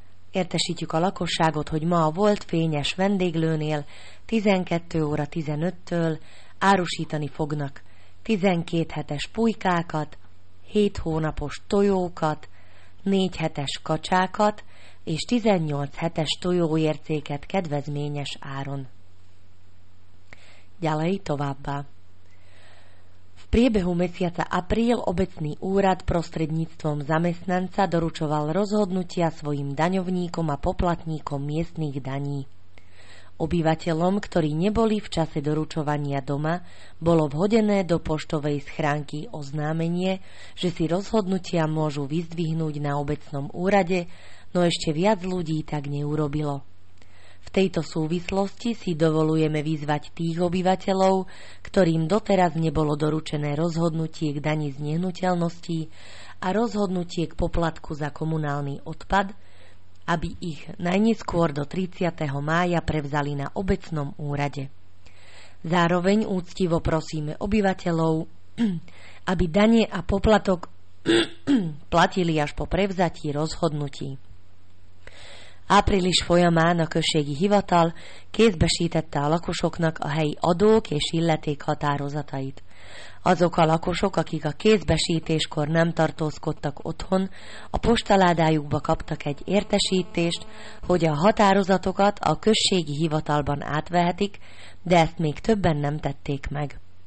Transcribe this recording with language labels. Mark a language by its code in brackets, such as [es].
[hu] Értesítjük a lakosságot, hogy ma a volt Fényes vendéglőnél 12 óra 15-től árusítani fognak 12 hetes pulykákat, 7 hónapos tojókat, 4 hetes kacsákat és 18 hetes tojóércéket kedvezményes áron. [sk] Ďalej [hu] továbbá. [sk] V priebehu mesiaca apríl obecný úrad prostredníctvom zamestnanca doručoval rozhodnutia svojim daňovníkom a poplatníkom miestnych daní. Obyvateľom, ktorí neboli v čase doručovania doma, bolo vhodené do poštovej schránky oznámenie, že si rozhodnutia môžu vyzdvihnúť na obecnom úrade, no ešte viac ľudí tak neurobilo. V tejto súvislosti si dovolujeme vyzvať tých obyvateľov, ktorým doteraz nebolo doručené rozhodnutie k dani z nehnuteľností a rozhodnutie k poplatku za komunálny odpad, aby ich najneskôr do 30. mája prevzali na obecnom úrade. Zároveň úctivo prosíme obyvateľov, aby dane a poplatok platili až po prevzatí rozhodnutí. [hu] Április folyamán a községi hivatal kézbesítette a lakosoknak a helyi adók és illetékhatározatait. Azok a lakosok, akik a kézbesítéskor nem tartózkodtak otthon, a postaládájukba kaptak egy értesítést, hogy a határozatokat a községi hivatalban átvehetik, de ezt még többen nem tették meg.